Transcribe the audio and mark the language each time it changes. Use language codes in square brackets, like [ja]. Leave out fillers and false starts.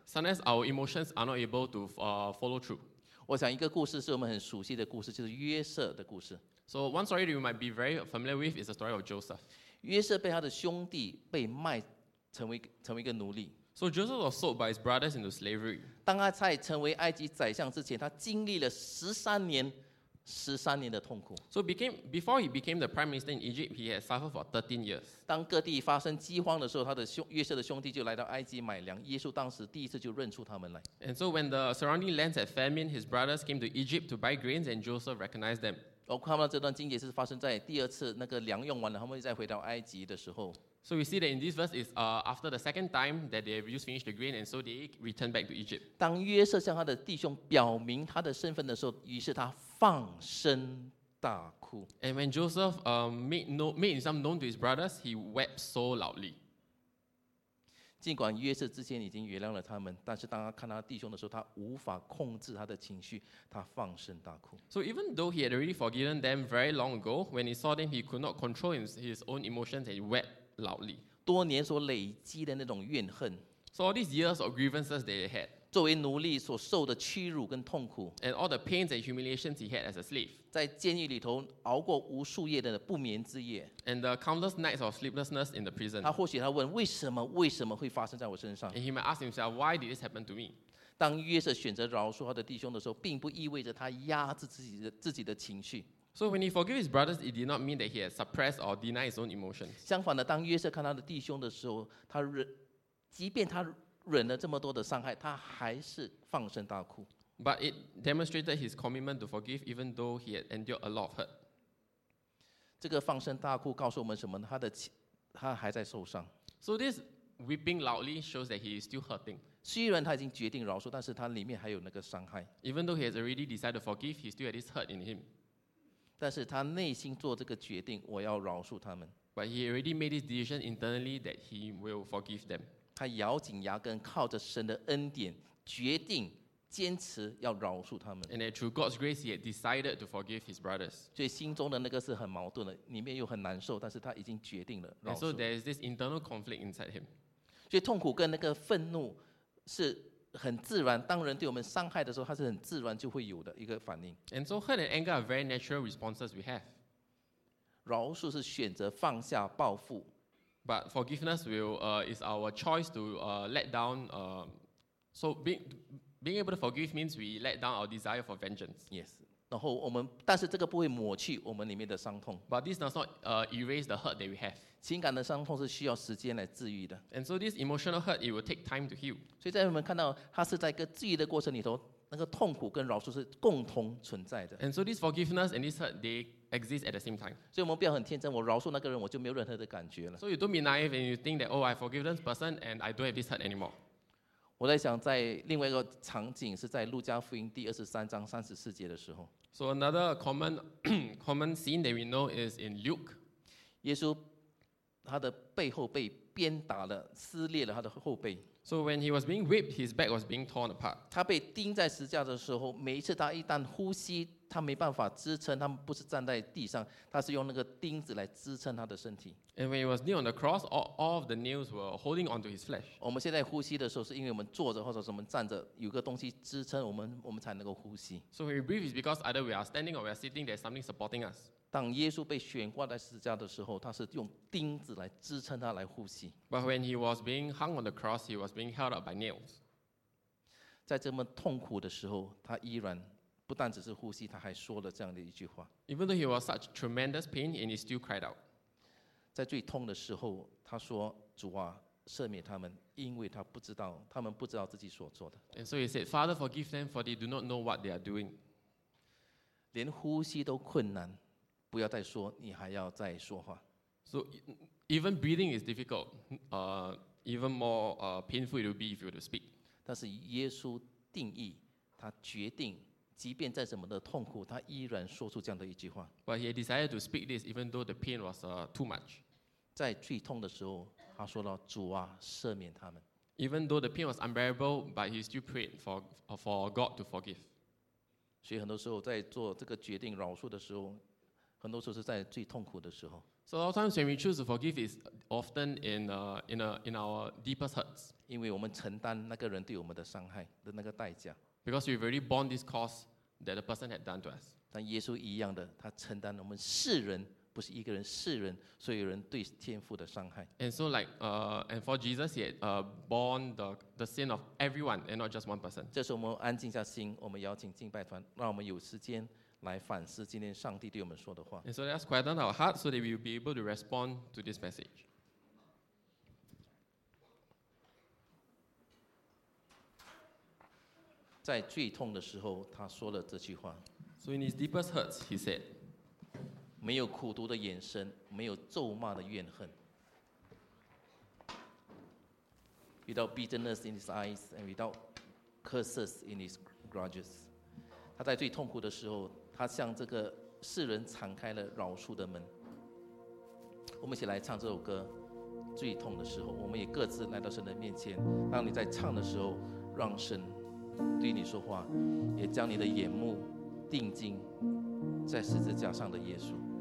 [en] Sometimes our emotions are not able to follow through. [zh] 我想一个故事是我们很熟悉的故事，就是约瑟的故事。 [en] So one story you might be very familiar with is the story of Joseph. [zh] 约瑟被他的兄弟被卖成为一个奴隶。 [en] So Joseph was sold by his brothers into slavery. [zh] 当他在成为埃及宰相之前，他经历了十三年的痛苦。 [en] So before he became the prime minister in Egypt, he had suffered for 13 years. [zh] 当各地发生饥荒的时候，约瑟的兄弟就来到埃及买粮。耶稣当时第一次就认出他们来。 [en] And so when the surrounding lands had famine, his brothers came to Egypt to buy grains, and Joseph recognized them. [zh] 我看到这段经节是发生在第二次那个粮用完了，他们再回到埃及的时候。 [en] So we see that in this verse is after the second time that they have used finished the grain, and so they return back to Egypt. [zh] 当约瑟向他的弟兄表明他的身份的时候，于是他放声大哭。 [en] And when Joseph made himself known to his brothers, he wept so loudly. [zh] 尽管约瑟之前已经原谅了他们，但是当他看到弟兄的时候，他无法控制他的情绪，他放声大哭。 [en] So even though he had already forgiven them very long ago, when he saw them, he could not control his own emotions and he wept. Loudly. [zh] 多年所累积的那种怨恨 [en] So all these years of grievances they had [zh] 作为奴隶所受的屈辱跟痛苦 [en] And all the pains and humiliations he had as a slave [zh] 在监狱里头熬过无数夜的不眠之夜 [en] And the countless nights of sleeplessness in the prison [zh] 他或许他问为什么会发生在我身上 [en] And he might ask himself why did this happen to me [zh] 当约瑟选择饶恕他的弟兄的时候并不意味着他压制自己的情绪 [en] So when he forgave his brothers, it did not mean that he had suppressed or denied his own emotions. [zh] 相反的，当约瑟看他的弟兄的时候，他忍，即便他忍了这么多的伤害，他还是放声大哭。 [en] But it demonstrated his commitment to forgive, even though he had endured a lot of hurt. [zh] 这个放声大哭告诉我们什么呢？他还在受伤。 [en] So this weeping loudly shows that he is still hurting. [zh] 虽然他已经决定饶恕，但是他里面还有那个伤害。 [en] Even though he has already decided to forgive, he still had this hurt in him. [zh] 但是他内心做这个决定，我要饶恕他们。 [en] But he already made his decision internally that he will forgive them. [zh] 他咬紧牙根，靠着神的恩典，决定坚持要饶恕他们。 [en] And that through God's grace, he had decided to forgive his brothers. [zh] 所以心中的那个是很矛盾的，里面又很难受，但是他已经决定了饶恕。 [en] And so there is this internal conflict inside him. [zh] 所以痛苦跟那个愤怒是。很自然，当人对我们伤害的时候，他是很自然就会有的一个反应。 [en] And so hurt and anger are very natural responses we have. [zh] 饶恕是选择放下报复。 [en] But forgiveness is our choice to let down. So being able to forgive means we let down our desire for vengeance. Yes. [zh] 然后我们，但是这个不会抹去我们里面的伤痛。 [en] But this does not erase the hurt that we have. [zh] 情感的伤痛是需要时间来治愈的。 [en] And so this emotional hurt, it will take time to heal. [zh] 所以在我们看到，它是在一个治愈的过程里头，那个痛苦跟饶恕是共同存在的。 [en] And so this forgiveness and this hurt, they exist at the same time. [zh] 所以我们不要很天真，我饶恕那个人，我就没有任何的感觉了。 [en] So you don't be naive and you think that, oh, I forgive this person and I don't have this hurt anymore. [zh] 我在想，在另外一个场景是在路加福音第23:34的时候。 [en] So another common scene that we know is in Luke. [zh] 耶稣他的背后被鞭打了，撕裂了他的后背。 [en] So when he was being whipped, his back was being torn apart. [zh] 他被钉在十字架的时候，每一次他一旦呼吸，他没办法支撑，他不是站在地上，他是用那个钉子来支撑他的身体。 [en] And when he was kneeled on the cross, all of the nails were holding onto his flesh. [zh] 我们现在呼吸的时候，是因为我们坐着或者我们站着，有个东西支撑我们才能够呼吸。 [en] So when we breathe, it's because either we are standing or we are sitting, there's something supporting us. [zh] 当耶稣被悬挂在十字架的时候，他是用钉子来支撑他来呼吸。 [en] But when he was being hung on the cross, he was being held up by nails. [zh] 在这么痛苦的时候，他依然不但只是呼吸，他还说了这样的一句话。 [en] Even though he was such tremendous pain, and he still cried out. [zh] 在最痛的时候，他说：“主啊，赦免他们，因为他不知道，他们不知道自己所做的。” [en] And so he said, "Father, forgive them, for they do not know what they are doing." [zh] 连呼吸都困难。不要再说，你还要再说话。 [en] So even breathing is difficult. Even more painful it will be if you were to speak. [zh] 但是耶稣定义，他决定，即便再怎么的痛苦，他依然说出这样的一句话。 [en] But he decided to speak this, even though the pain was too much. [zh] 在最痛的时候，他说了：“主啊，赦免他们。” [en] Even though the pain was unbearable, but he still prayed for God to forgive. [zh] 所以很多时候在做这个决定饶恕的时候。很多时候是在最痛苦的时候。 [en] So a lot of times when we choose to forgive is often in our deepest hurts. [zh] 因为我们承担那个人对我们的伤害的那个代价。 [en] Because we've already borne this cost that the person had done to us. [zh] 但耶稣一样的，他承担我们世人，不是一个人，世人所有人对天父的伤害。 [en] And so like and for Jesus, he had borne the sin of everyone and not just one person. [zh] 这时候我们安静下心，我们邀请敬拜团，让我们有时间。来反思今天上帝对我们说的话。 [en] And so let's quieten our hearts so that we will be able to respond to this message. [zh] In 最痛的时候，他说了这句话。 [en] So in his deepest hurts, he said, [zh] 没有苦毒的眼神，没有咒骂的怨恨。 [en] Without bitterness in his eyes and without curses in his grudges. [zh] 他在最痛苦的时候，他向这个世人敞开了饶恕的门。我们一起来唱这首歌，最痛的时候，我们也各自来到神的面前。当你在唱的时候，让神对你说话，也将你的眼目定睛在十字架上的耶稣。